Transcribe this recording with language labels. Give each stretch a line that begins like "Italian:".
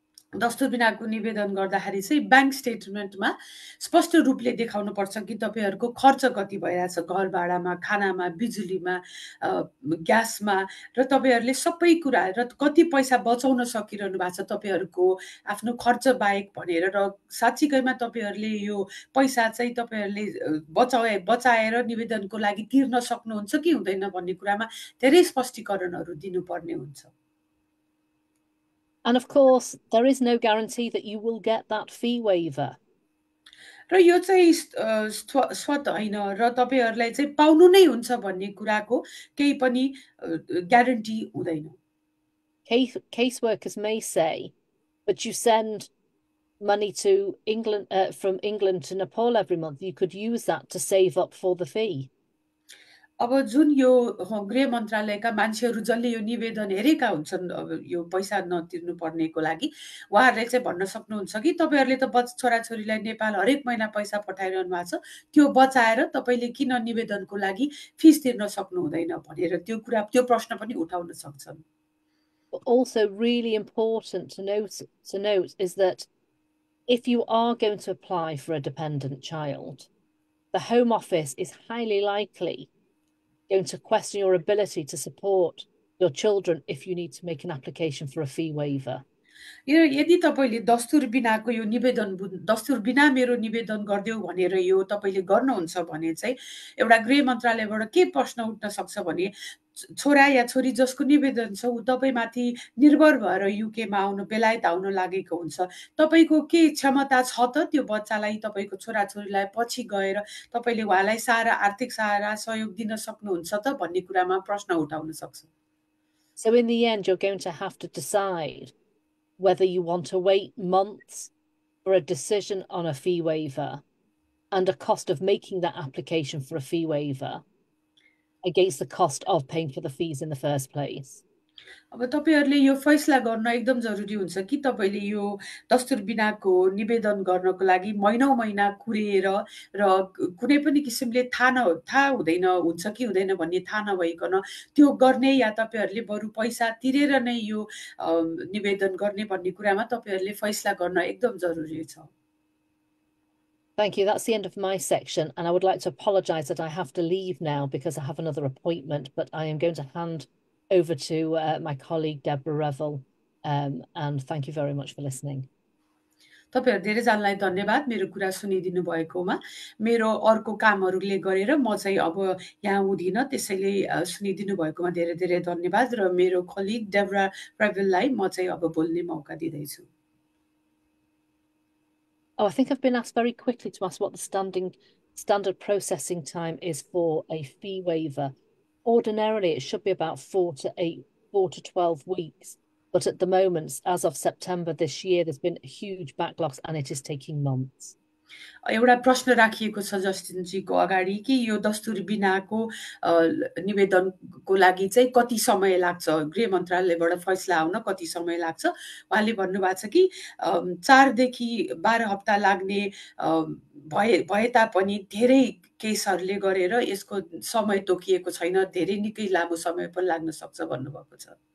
Nepali: दस्तुरबिनाको निवेदन गर्दाखेरि चाहिँ ब्याङ्क स्टेटमेन्टमा स्पष्ट रूपले देखाउनु पर्छ कि तपाईँहरूको खर्च कति भइरहेछ, घर भाडामा, खानामा, बिजुलीमा, ग्यासमा, र तपाईँहरूले सबै कुरा र कति पैसा बचाउन सकिरहनु भएको छ तपाईँहरूको आफ्नो खर्च बाहेक भनेर, र साँच्चीकैमा तपाईँहरूले यो पैसा चाहिँ तपाईँहरूले बचाएर निवेदनको लागि तिर्न सक्नुहुन्छ कि हुँदैन भन्ने कुरामा धेरै स्पष्टीकरणहरू दिनुपर्ने हुन्छ।
English: And of course, there is no guarantee that you will get that fee waiver.
Nepali: र यो चाहिँ स्वत होइन र तपाईँहरूलाई चाहिँ पाउनु नै हुन्छ भन्ने कुराको केही पनि ग्यारेन्टी हुँदैन।
English: Caseworkers may say, but you send money to England from England to Nepal every month. You could use that to save up for the fee.
Nepali: अब जुन यो गृह मन्त्रालयका मान्छेहरू जसले यो निवेदन हेरेका हुन्छन् अब यो पैसा नतिर्नु पर्नेको लागि, उहाँहरूले चाहिँ भन्न सक्नुहुन्छ कि तपाईँहरूले त छोराछोरीलाई नेपाल हरेक महिना पैसा पठाइरहनु भएको छ, त्यो बचाएर तपाईँले किन निवेदनको लागि फिस तिर्न सक्नुहुँदैन भनेर त्यो कुरा त्यो प्रश्न पनि उठाउन सक्छन्।
English: Also really important to note is that if you are going to apply for a dependent child, the Home Office is highly likely going to question your ability to support your children if you need to make an application for a fee waiver.
Nepali: यदि तपाईँले दस्तुर बिनाको यो निवेदन दस्तुर बिना मेरो निवेदन गरिदेऊ भनेर यो तपाईँले गर्नुहुन्छ भने चाहिँ एउटा गृह मन्त्रालयबाट के प्रश्न उठ्न सक्छ भने छोरा या छोरी जसको निवेदन छ ऊ तपाईँमाथि निर्भर भएर युकेमा आउनु बेलायत आउन लागेको हुन्छ, तपाईँको के क्षमता छ त त्यो बच्चालाई तपाईँको छोराछोरीलाई पछि गएर तपाईँले उहाँलाई सहारा आर्थिक सहारा सहयोग दिन सक्नुहुन्छ त भन्ने कुरामा प्रश्न उठाउन सक्छ।
English: So in the end, you're going to have to decide whether you want to wait months for a decision on a fee waiver and a cost of making that application for a fee waiver against the cost of paying for the fees in the first place.
Nepali: अब तपाईँहरूले यो फैसला गर्न एकदम जरुरी हुन्छ कि तपाईँले यो दस्तुर बिनाको निवेदन गर्नको लागि महिनौ महिना कुरेर र कुनै पनि किसिमले थाहा हुँदैन हुन्छ कि हुँदैन भन्ने थाहा नभइकन त्यो गर्ने, या तपाईँहरूले बरु पैसा तिरेर नै यो निवेदन गर्ने भन्ने कुरामा तपाईँहरूले फैसला गर्न एकदम जरुरी छ।
English: Thank you. That's the end of my section. And I would like to apologize that I have to leave now because I have another appointment, but I am going to hand over to my colleague, Deborah Revel. And thank you very much for listening.
Nepali: तपाईँहरू धेरैजनालाई धन्यवाद मेरो कुरा सुनिदिनु भएकोमा। मेरो अर्को कामहरूले गरेर म चाहिँ अब यहाँ हुँदिनँ, त्यसैले सुनिदिनु भएकोमा धेरै धेरै धन्यवाद। र मेरो कलिग डेब्रा प्रेभिललाई म चाहिँ अब बोल्ने मौका दिँदैछु।
English: Oh, I think I've been asked very quickly to ask what the standard processing time is for a fee waiver. Ordinarily, it should be about 4 to 12 weeks. But at the moment, as of September this year, there's been huge backlogs and it is taking months.
Nepali: एउटा प्रश्न राखिएको छ जस्टिनजीको अगाडि कि यो दस्तुर बिनाको निवेदनको लागि चाहिँ कति समय लाग्छ, गृह मन्त्रालयबाट फैसला आउन कति समय लाग्छ। उहाँले भन्नुभएको छ कि 4 देखि 12 हप्ता लाग्ने भए तापनि धेरै केसहरूले गरेर यसको समय तोकिएको छैन, धेरै निकै लामो समय पनि लाग्न सक्छ भन्नुभएको छ।